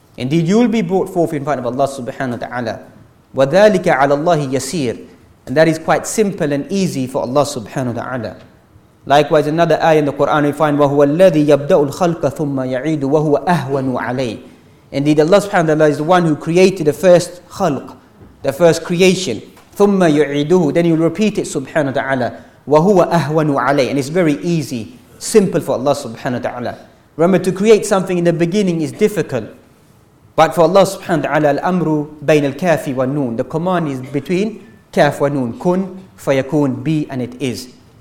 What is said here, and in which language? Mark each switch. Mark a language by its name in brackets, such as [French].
[English] Indeed, you will be brought forth in front of Allah subhanahu wa ta'ala. [Arabic] وَذَٰلِكَ عَلَى اللَّهِ يَسِيرٌ, [English] and that is quite simple and easy for Allah subhanahu wa ta'ala. Likewise, another ayah in the Quran we find, [Arabic] وَهُوَ الَّذِي يَبْدَأُ الْخَلْقَ ثُمَّ يَعِيدُ وَهُوَ أَهْوَنُ عَلَيْهِ. [English] Indeed, Allah subhanahu wa ta'ala is the one who created the first khalq, the first creation. [Arabic] ثُمَّ يُعِيدُهُ, [English] then you'll repeat it subhanahu wa ta'ala. [Arabic] وَهُوَ أَهْوَنُ عَلَيْهِ, [English] and it's very easy, simple for Allah subhanahu wa ta'ala. Remember, to create something in the beginning is difficult, but for Allah subhanahu wa ta'ala, [Arabic] الْأَمْرُ بَيْنَ الْكَافِ وَالنُّونَ, [English] the command is between kaf wa noon, [Arabic] kun fayakun, [English] be and it is.